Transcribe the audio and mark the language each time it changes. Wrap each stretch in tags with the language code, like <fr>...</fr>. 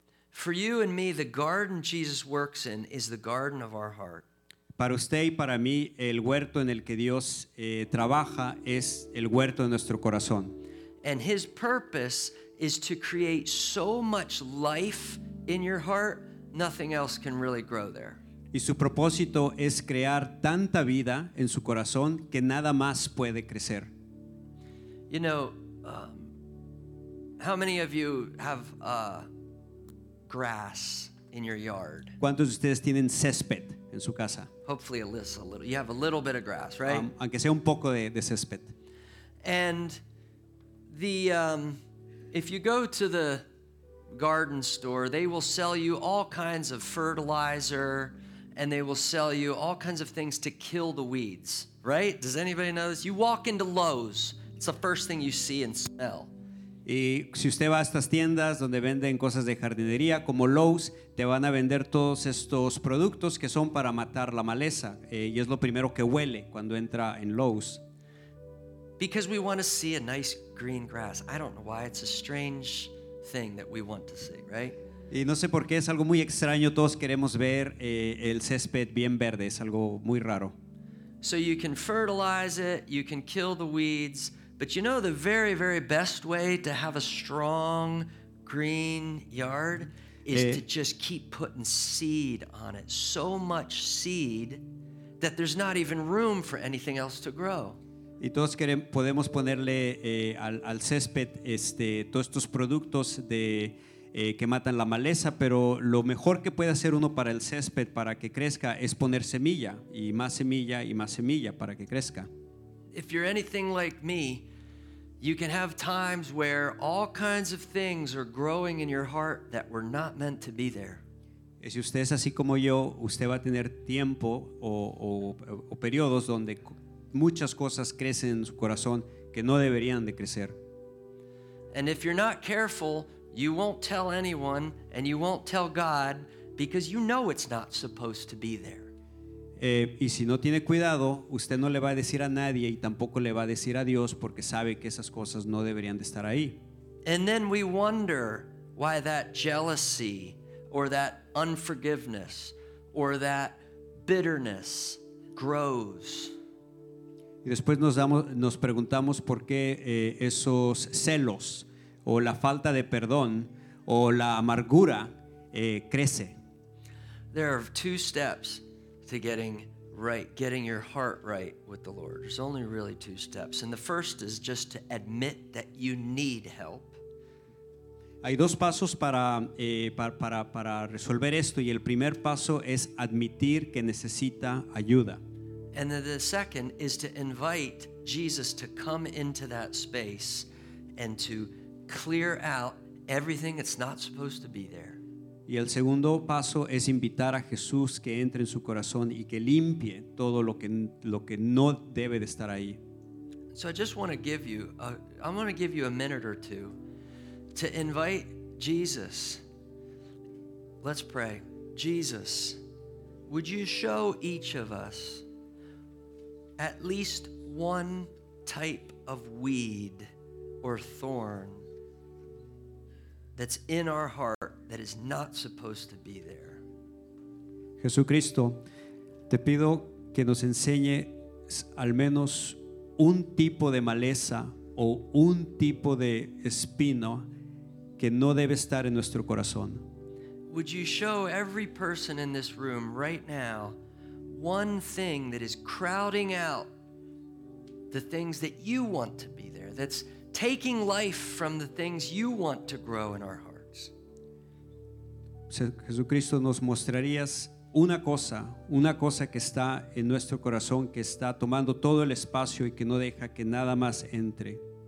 <en>For you and me, the garden Jesus works in is the garden of our heart.</en> <es>Para usted y para mí, el huerto en el que Dios trabaja es el huerto de nuestro corazón.</es> <en>And his purpose is to create so much life in your heart, nothing else can really grow there.</en> <es>Y su propósito es crear tanta vida en su corazón que nada más puede crecer.</es> <en>You know, how many of you have grass in your yard?</en> <es>¿Cuántos de ustedes tienen césped en su casa?</es> <en>Hopefully a little. You have a little bit of grass, right?</en> <es>Aunque sea un poco de césped.</es> <en>And the if you go to the garden store, they will sell you all kinds of fertilizer, and they will sell you all kinds of things to kill the weeds, right? Does anybody know this? You walk into Lowe's, it's the first thing you see and smell.</en> <es>Y si usted va a estas tiendas donde venden cosas de jardinería como Lowe's, te van a vender todos estos productos que son para matar la maleza, y es lo primero que huele cuando entra en Lowe's.</es> <en>Because we want to see a nice green grass. I don't know why, it's a strange thing that we want to see, right?</en> <es>Y no sé por qué, es algo muy extraño, todos queremos ver el césped bien verde, es algo muy raro.</es> <en>So you can fertilize it, you can kill the weeds. But you know the very, very best way to have a strong green yard is to just keep putting seed on it. So much seed that there's not even room for anything else to grow.</en> <es>Y todos podemos ponerle al césped todos estos productos que matan la maleza, pero lo mejor que puede hacer uno para el césped para que crezca es poner semilla y más semilla para que crezca.</es> <en>If you're anything like me, you can have times where all kinds of things are growing in your heart that were not meant to be there.</en> <es>Si usted es así como yo, usted va a tener tiempo o periodos donde muchas cosas crecen en su corazón que no deberían de crecer.</es> <en>And if you're not careful, you won't tell anyone and you won't tell God because you know it's not supposed to be there.</en> <es>Y si no tiene cuidado, usted no le va a decir a nadie y tampoco le va a decir a Dios porque sabe que esas cosas no deberían de estar ahí.</es> <en>And then we wonder why that jealousy or that unforgiveness or that bitterness grows.</en> <es>Y después nos preguntamos por qué esos celos o la falta de perdón o la amargura crece.</es> <en>There are two steps to getting your heart right with the Lord. There's only really two steps. And the first is just to admit that you need help.</en> <es>Hay dos pasos para resolver esto, y el primer paso es admitir que necesita ayuda.</es> <en>And then the second is to invite Jesus to come into that space and to clear out everything that's not supposed to be there.</en> <es>Y el segundo paso es invitar a Jesús que entre en su corazón y que limpie todo lo que no debe de estar ahí.</es> <en>So I just want to give you a minute or two to invite Jesus. Let's pray. Jesus, would you show each of us at least one type of weed or thorn that's in our heart that is not supposed to be there?</en> <es>Jesucristo, te pido que nos enseñe al menos un tipo de maleza o un tipo de espino que no debe estar en nuestro corazón.</es> <en>Would you show every person in this room right now one thing that is crowding out the things that you want to be there, that's taking life from the things you want to grow in our hearts?</en> <es>Jesucristo, nos mostrarías una cosa que está en nuestro corazón, que está tomando todo el espacio y que no deja que nada más entre.</es>